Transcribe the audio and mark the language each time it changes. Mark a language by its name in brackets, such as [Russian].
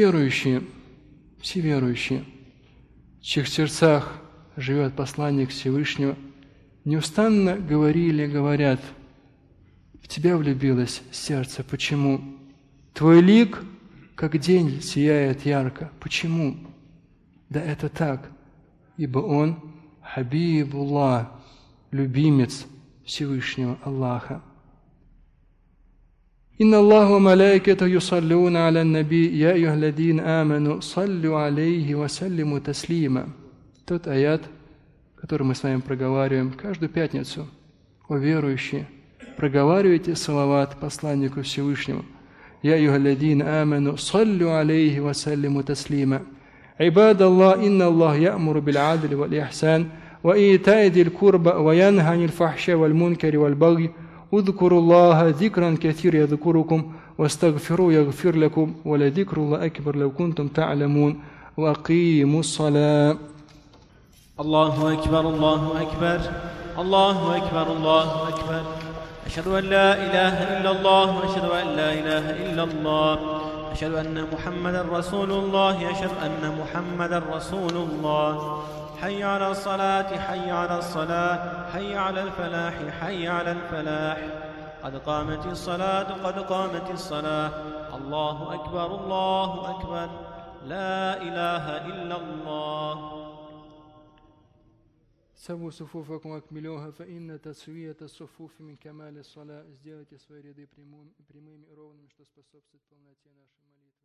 [Russian] Все верующие, в чьих сердцах живет посланник Всевышнего, неустанно говорили и говорят: «В тебя влюбилось сердце, почему? Твой лик, как день, сияет ярко, почему?» Да это так, ибо он Хабибулла, любимец Всевышнего Аллаха. [Arabic] إن الله وملائكته يصلون على النبي يا أيها الذين آمنوا صلوا عليه وسلموا تسليما. [Russian] Тот аят, который мы с вами проговариваем каждую пятницу. О верующие, проговаривайте салават посланнику Всевышнему. [Arabic] يا أيها الذين آمنوا صلوا عليه وسلموا تسليما. عباد الله إن الله يأمر بالعدل والإحسان وإيتاء ذي القربى وينهى عن الفحشاء والمنكر والبغي اذكروا الله ذكرا كثيرا يذكركم واستغفروا يغفر لكم ولذكر الله أكبر لو كنتم تعلمون وأقيموا الصلاة الله أكبر الله أكبر الله أكبر الله أكبر أشهد أن لا إله إلا الله أشهد أن لا إله إلا الله أشهد أن محمدا رسول الله أشهد أن محمدا رسول الله حي على الصلاة حي على الصلاة حي على الفلاح حي على الفلاح قد قامت الصلاة قد قامت الصلاة الله أكبر الله أكبر لا إله إلا الله سووا صفوفكم واكملوها فإن تسوية الصفوف من كمال الصلاة [Russian] сделайте свои ряды прямыми и ровными что способствует полноте нашей молитвы